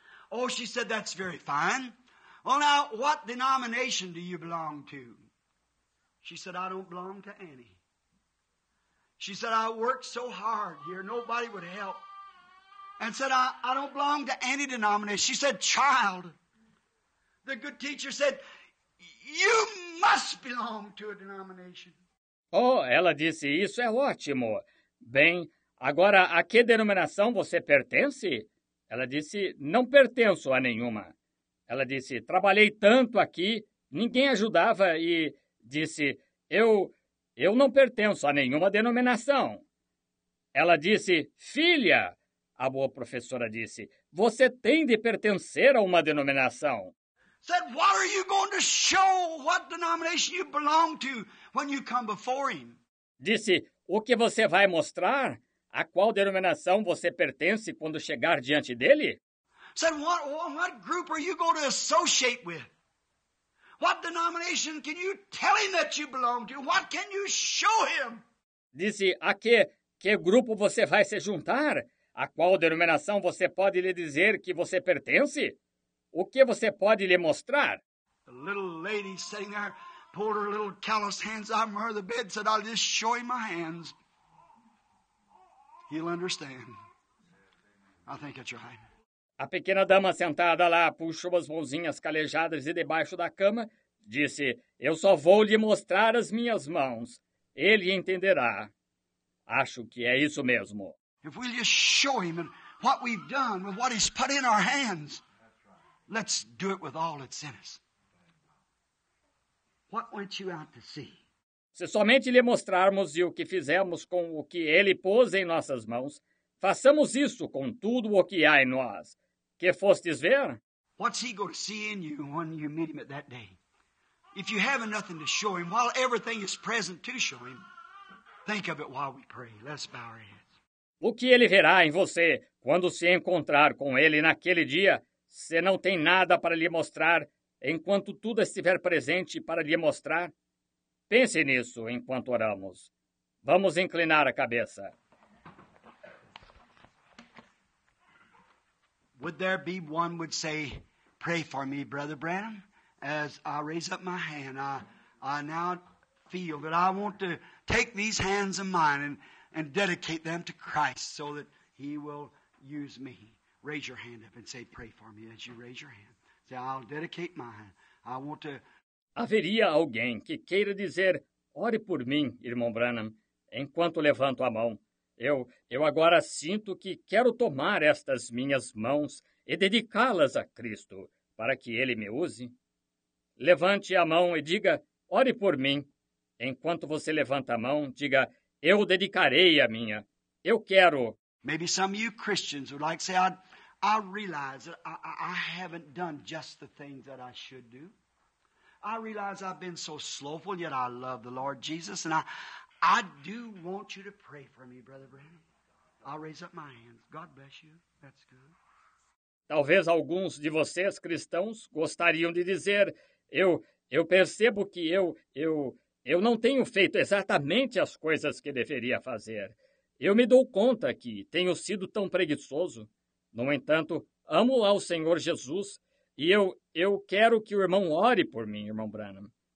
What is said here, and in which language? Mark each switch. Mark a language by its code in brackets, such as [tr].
[en] Oh, she said, that's very fine. Well, now, what denomination do you belong to? She said, I don't belong to any. She said, I worked so hard here, nobody would help. And said, I don't belong to any denomination. She said, child, the good teacher said, you must belong to a denomination. [pt] Oh, ela disse, isso é ótimo. Bem, agora, a que denominação você pertence? Ela disse, não pertenço a nenhuma. Ela disse, trabalhei tanto aqui, ninguém ajudava e disse, eu não pertenço a nenhuma denominação. Ela disse, filha, a boa professora disse, você tem de pertencer a uma denominação. [en] Said, what are you going to show what denomination you belong to when you come before him? [pt] Disse, o que você vai mostrar? A qual denominação você pertence quando chegar diante dele? [en] Said, what group are you going to associate with? What denomination can you tell him that you belong to? What can you show him? [pt] Disse, a que grupo você vai se juntar? A qual denominação você pode lhe dizer que você pertence? O que você pode lhe mostrar? [en] A little lady sitting there pulled her little calloused hands out from her the bed and said, I'll just show him my hands. He'll understand. I think it's right. [pt] A pequena dama sentada lá puxou as mãozinhas calejadas e debaixo da cama disse, eu só vou lhe mostrar as minhas mãos. Ele entenderá. Acho que é isso mesmo. [en] If we'll just show him what we've done with what he's put in our hands, let's do it with all that's in us. What went you out to see? [pt] Se somente lhe mostrarmos o que fizemos com o que ele pôs em nossas mãos, façamos isso com tudo o que há em nós. Que fostes ver? [en] What's he going to see in you when you meet him at that day? If you have nothing to show him, while everything is present to show him, think of it while we pray. Let's bow our heads. [pt] O que ele verá em você quando se encontrar com ele naquele dia? Se não tem nada para lhe mostrar, enquanto tudo estiver presente para lhe mostrar? Pense nisso enquanto oramos. Vamos inclinar a cabeça. [en] Would there be one would say, pray for me, Brother Branham, as I raise up my hand. I now feel that I want to take these hands of mine and dedicate them to Christ so that he will use me. Raise your hand up and say, pray for me as you raise your hand. Say, I'll dedicate mine. I want to... [pt] Haveria alguém que queira dizer, ore por mim, irmão Branham, enquanto levanto a mão. Eu agora sinto que quero tomar estas minhas mãos e dedicá-las a Cristo para que ele me use. Levante a mão e diga, ore por mim. Enquanto você levanta a mão, diga, eu dedicarei a minha. Eu quero. [en] Maybe some of you Christians would like to say, I realize that I haven't done just the things that I should do. I realize I've been so slowful, yet I love the Lord Jesus, and I do want you to pray for me, Brother Branham. I'll raise up my hands. God bless you. That's good. [pt] Talvez alguns de vocês, cristãos, gostariam de dizer, eu percebo que eu não tenho feito exatamente as coisas que deveria fazer. Eu me dou conta que tenho sido tão preguiçoso. No entanto, amo ao Senhor Jesus e eu quero que o irmão ore por mim, irmão Branham.